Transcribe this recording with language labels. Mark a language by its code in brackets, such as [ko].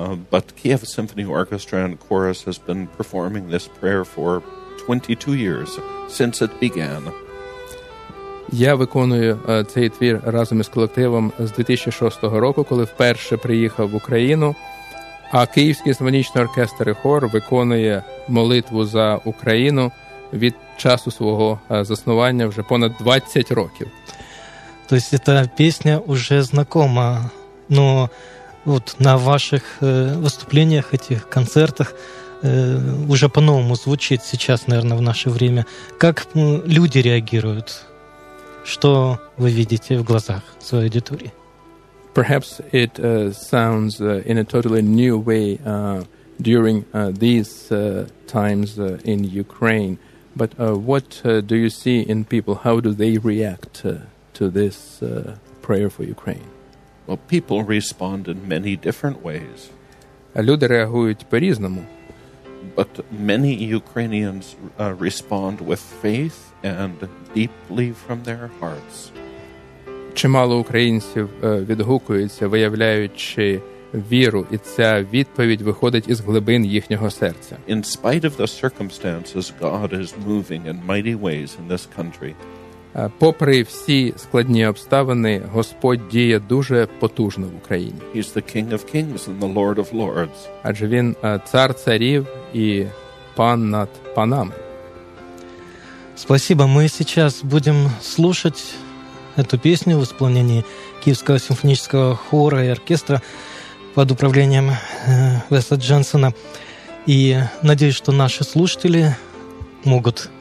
[en] But Kiev Symphony Orchestra and Chorus has been performing this prayer for 22 years since it began. [uk] Я виконую цей твір разом із колективом з 2006 року, коли вперше приїхав в Україну, а Київський симфонічний оркестр і хор виконує молитву за Україну від часу свого заснування вже понад 20 років. Тобто ця пісня вже знайома, але от на ваших виступленнях, цих концертах, вже по-новому звучить зараз, мабуть, в наше время. Як люди реагують? [ru] Что вы видите в глазах своей аудитории? [en] Perhaps it sounds in a totally new way during these times in Ukraine. But what do you see in people? How do they react to this prayer for Ukraine? Well, people respond in many different ways. [uk] Люди реагують по-різному. [en] But many Ukrainians respond with faith and deeply from their hearts. [uk] Чимало українців відгукуються, виявляючи віру, і ця відповідь виходить із глибин їхнього серця. [en] In spite of the circumstances, God is moving in mighty ways in this country. [uk] Попри всі складні обставини, Господь діє дуже потужно в Україні. [en] He's the King of Kings and the Lord of Lords. [uk] Адже він цар царів і пан над панами. [ru] Спасибо. Мы сейчас будем слушать эту песню в исполнении Киевского симфонического хора и оркестра под управлением Веса Дженсена. И надеюсь, что наши слушатели могут